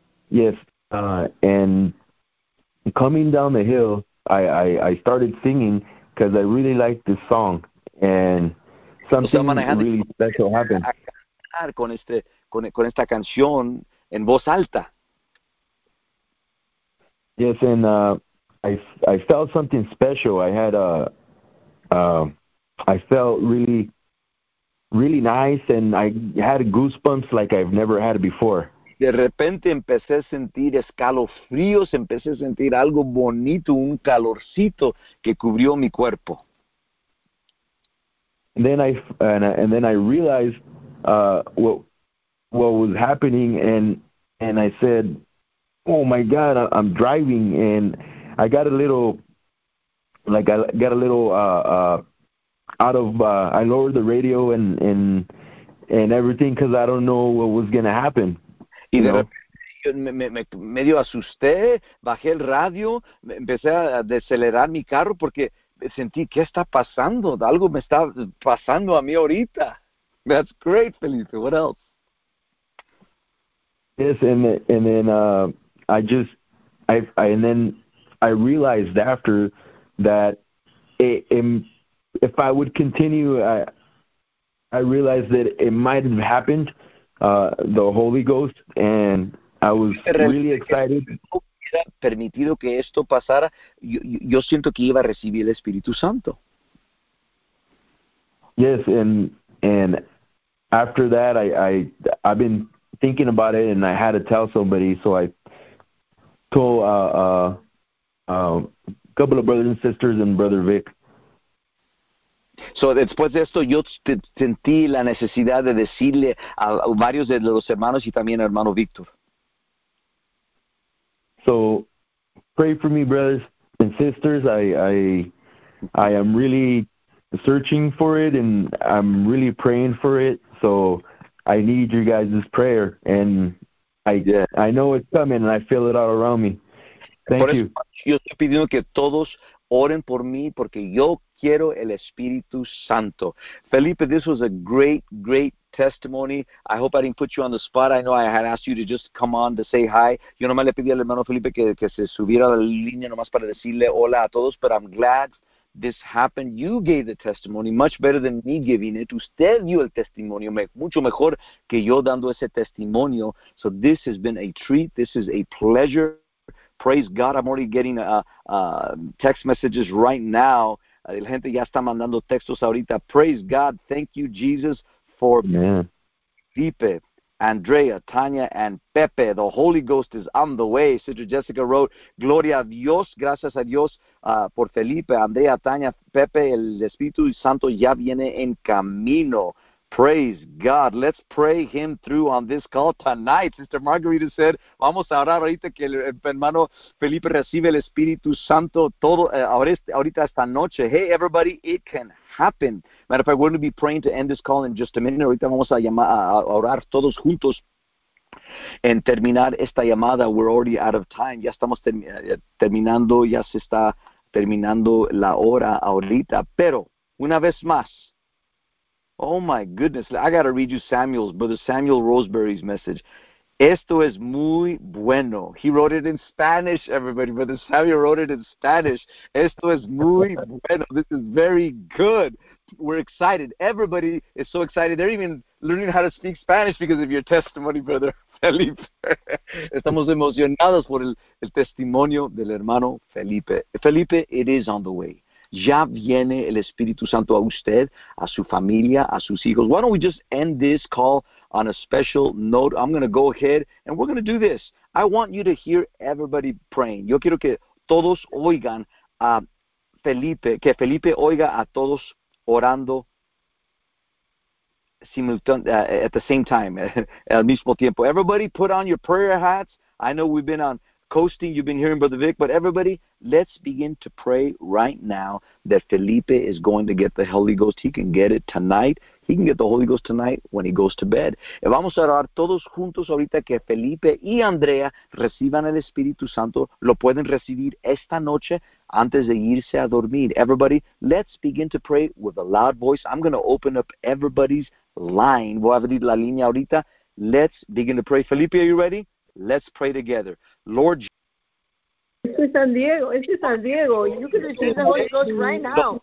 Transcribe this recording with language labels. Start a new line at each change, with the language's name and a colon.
English: Yes, and coming down the hill, I started singing because I really liked this song, and something really special happened.
Spanish: A cantar con este con esta canción en voz alta.
English: Yes, and I felt something special. I had I felt really, really nice, and I had goosebumps like I've never had before.
Spanish: De repente empecé a sentir escalofríos, empecé a sentir algo bonito, un calorcito que cubrió mi cuerpo.
English: And then I realized what was happening, and I said, "Oh my God, I'm driving!" And I got a little, out of. I lowered the radio and everything because I don't know what was going to happen.
Spanish: Medio asusté, bajé el radio, empecé a decelerar mi carro porque sentí, ¿qué está pasando? Algo me está pasando a mí ahorita.
English: That's great, Felipe. What else? Yes, and then I realized after that if I would continue, I realized that it might have happened, the Holy Ghost, and I was really excited.
Spanish: Permitido que esto pasara, yo siento que iba a recibir el Espíritu Santo.
English: Yes, and after that, I've been thinking about it, and I had to tell somebody, so I told a couple of brothers and sisters and Brother Vic.
Spanish: So después de esto, yo sentí la necesidad de decirle a varios de los hermanos y también a hermano Víctor.
English: So pray for me, brothers and sisters. I am really searching for it, and I'm really praying for it. So I need your guys' prayer, and I know it's coming, and I feel it all around me. Thank
Spanish: por eso,
English: you.
Spanish: Yo estoy pidiendo que todos oren por mí, porque yo quiero el Espíritu Santo.
English: Felipe, this was a great, great testimony. I hope I didn't put you on the spot. I know I had asked you to just come on to say hi.
Spanish: Yo nomás le pedí al hermano Felipe que se subiera a la línea nomás para decirle hola a todos,
English: but I'm glad this happened. You gave the testimony much better than me giving it.
Spanish: Usted dio el testimonio mucho mejor que yo dando ese testimonio.
English: So this has been a treat. This is a pleasure. Praise God. I'm already getting text messages right now.
Spanish: La gente ya está mandando textos ahorita.
English: Praise God. Thank you, Jesus, for Felipe, Andrea, Tania, and Pepe. The Holy Ghost is on the way. Sister Jessica wrote,
Spanish: Gloria a Dios, gracias a Dios, por Felipe, Andrea, Tania, Pepe, el Espíritu Santo ya viene en camino.
English: Praise God. Let's pray him through on this call tonight. Sister Margarita said,
Spanish: vamos a orar ahorita que el hermano Felipe recibe el Espíritu Santo todo ahorita esta noche.
English: Hey, everybody, it can happen. Matter of fact, we're going to be praying to end this call in just a minute.
Spanish: Ahorita vamos a orar todos juntos en terminar esta llamada.
English: We're already out of time.
Spanish: Ya estamos terminando, ya se está terminando la hora ahorita. Pero, una vez más,
English: oh my goodness, I got to read you Samuel's, Brother Samuel Roseberry's message.
Spanish: Esto es muy bueno.
English: He wrote it in Spanish, everybody. Brother Samuel wrote it in Spanish.
Spanish: Esto es muy bueno.
English: This is very good. We're excited. Everybody is so excited. They're even learning how to speak Spanish because of your testimony, Brother Felipe.
Spanish: Estamos emocionados por el testimonio del hermano Felipe.
English: Felipe, it is on the way.
Spanish: Ya viene el Espíritu Santo a usted, a su familia, a sus hijos.
English: Why don't we just end this call on a special note? I'm going to go ahead and we're going to do this. I want you to hear everybody praying.
Spanish: Yo quiero que todos oigan a Felipe, que Felipe oiga a todos orando
English: at the same time,
Spanish: al mismo tiempo.
English: Everybody put on your prayer hats. I know we've been on coasting, you've been hearing Brother Vic, but everybody, let's begin to pray right now that Felipe is going to get the Holy Ghost. He can get it tonight. He can get the Holy Ghost tonight when he goes to bed.
Spanish: Y vamos a orar todos juntos ahorita que Felipe y Andrea reciban el Espíritu Santo. Lo pueden recibir esta noche antes de irse a dormir.
English: Everybody, let's begin to pray with a loud voice. I'm going to open up everybody's line.
Spanish: Voy a abrir la línea ahorita.
English: Let's begin to pray. Felipe, are you ready? Let's pray together. Lord Jesus. This is San Diego. This is San Diego. You can receive the Holy Ghost right now.